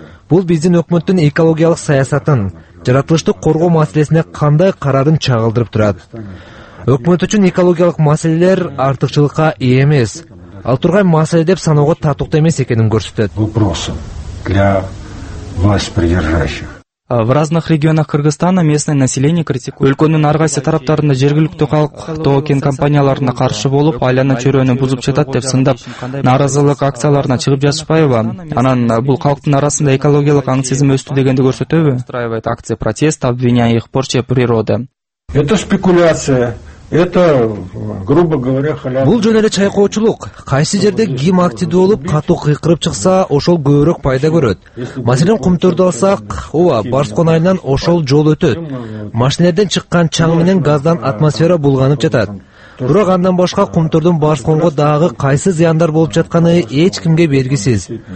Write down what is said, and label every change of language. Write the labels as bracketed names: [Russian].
[Kyrgyz] Бул биздин өкмөттүн экологиялык саясатын, жаратылышты коргоо маселесине кандай карарын чагылдырып турат. Өкмөт үчүн экологиялык маселелер артыкчылыкка ээ эмес, ал турган маселе деп саноого татыктуу эмес экенин көрсөтөт. [Russian] В разных регионах Кыргызстана местное население критикует. [Kyrgyz] Өлкөнүн ар кайсы тараптарында жергиликтүү калк тоо кен компанияларына каршы болуп, айлана чөйрөнү бузуп жатат деп сындап, нааразылык акцияларына чыгып жатышпайбы? Анан бул калктын арасында экологиялык аңсизм өстү дегенди көрсөтөбү? [Russian] Устраивает акция протеста, обвиняя их в порче природы. Это спекуляция. Это, грубо говоря, халява. [Kyrgyz] Бул жөн эле чайкоочулук. Кайсы жерде ким активдүү болуп, катуу кыйкырып чыкса, ошол көбүрөөк пайда көрөт. Маселен, Кумтөрдү алсак, ооба, Барскон айынан ошол жол өтөт. Машинелерден чыккан чаң менен газдан атмосфера булганып жатат. Бирок андан башка кумтордун басконго дагы кайсы зыяндар болуп жатканы эч кимге белгисиз.